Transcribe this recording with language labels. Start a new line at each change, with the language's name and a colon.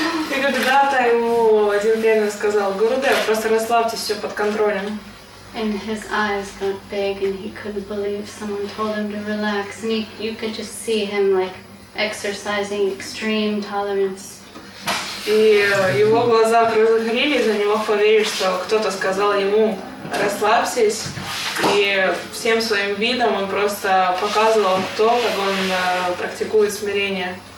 Russian: И когда-то ему один преданный сказал, "Гурудев, просто расслабьтесь, все под контролем."
English: And his eyes got big, and he couldn't believe someone told him to relax. And you could just see him like exercising extreme tolerance.
Russian: И его глаза разгорелись, он не мог поверить, что кто-то сказал ему расслабьтесь. И всем своим видом он просто показывал то, как он практикует смирение.